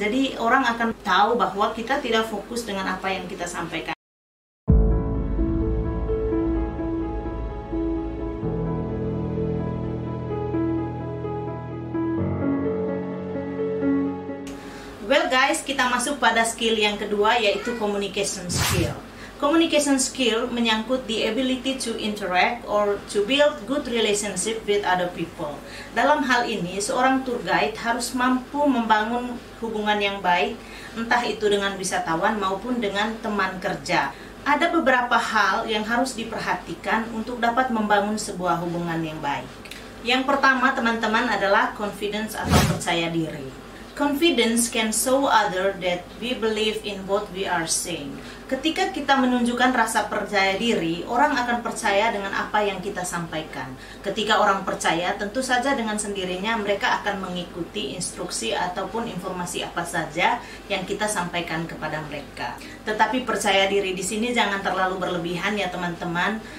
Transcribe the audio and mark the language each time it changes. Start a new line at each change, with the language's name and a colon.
Indonesian: Jadi orang akan tahu bahwa kita tidak fokus dengan apa yang kita sampaikan. Well guys, kita masuk pada skill yang kedua, yaitu communication skill.
English: Communication skill menyangkut the ability to interact or to build good relationship with other people.
Indonesian: Dalam hal ini, seorang tour guide harus mampu membangun hubungan yang baik, entah itu dengan wisatawan maupun dengan teman kerja. Ada beberapa hal yang harus diperhatikan untuk dapat membangun sebuah hubungan yang baik. Yang pertama, teman-teman, adalah confidence atau percaya diri.
English: Confidence can show other that we believe in what we are saying.
Indonesian: Ketika kita menunjukkan rasa percaya diri, orang akan percaya dengan apa yang kita sampaikan. Ketika orang percaya, tentu saja dengan sendirinya mereka akan mengikuti instruksi ataupun informasi apa saja yang kita sampaikan kepada mereka. Tetapi percaya diri di sini jangan terlalu berlebihan ya teman-teman.